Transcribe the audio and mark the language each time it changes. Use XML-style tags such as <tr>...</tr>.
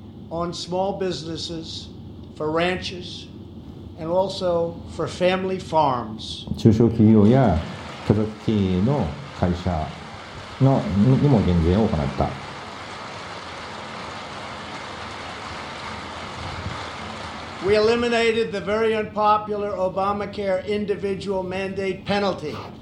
<en>On small businesses, for ranches, and also for family farms.</en> <ja>中小企業や家族経営の会社のにも減税を行った。</ja> <en>We eliminated the very unpopular Obamacare individual mandate penalty.</en>